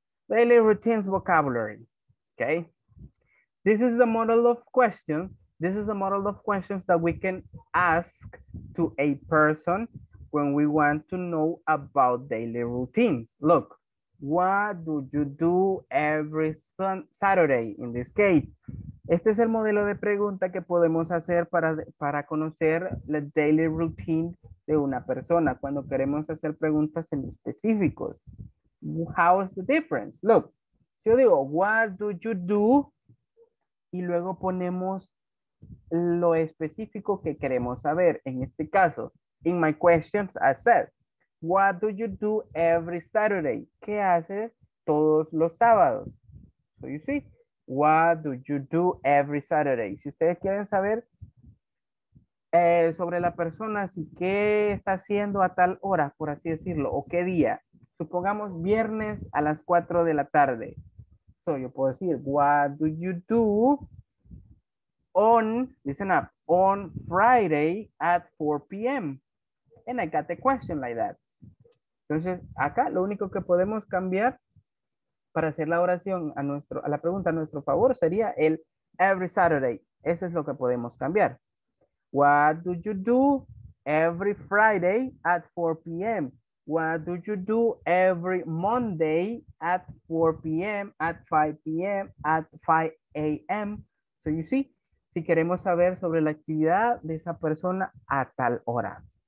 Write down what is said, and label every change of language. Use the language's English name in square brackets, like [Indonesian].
[English] Daily routines vocabulary, okay? This is the model of questions. This is a model of questions that we can ask to a person when we want to know about daily routines. Look, what do you do every Saturday? In this case, [Spanish] Este es el modelo de pregunta que podemos hacer para conocer la [English] daily routine [Spanish] de una persona cuando queremos hacer preguntas en específicos. [English] How is the difference? Look, [Spanish] si yo digo, [English] what do you do? [Spanish] Y luego ponemos lo específico que queremos saber. En este caso, [English] in my questions, I said, what do you do every Saturday? [Spanish] ¿Qué haces todos los sábados? [English] So you see, what do you do every Saturday? [Spanish] Si ustedes quieren saber sobre la persona, si qué está haciendo a tal hora, por así decirlo, o qué día. Supongamos viernes a las 4 de la tarde. [English] So [Spanish] yo puedo decir, [English] what do you do on, listen up, on Friday at 4 p.m. And I got the question like that. [Spanish] Entonces, acá lo único que podemos cambiar para hacer la oración a la pregunta a nuestro favor sería el [English] every Saturday. [Spanish] Eso es lo que podemos cambiar. [English] What do you do every Friday at 4 p.m.? What do you do every Monday at 4 p.m., at 5 p.m., at 5 a.m.? So you see, [Spanish] si queremos saber sobre la actividad de esa persona a tal hora.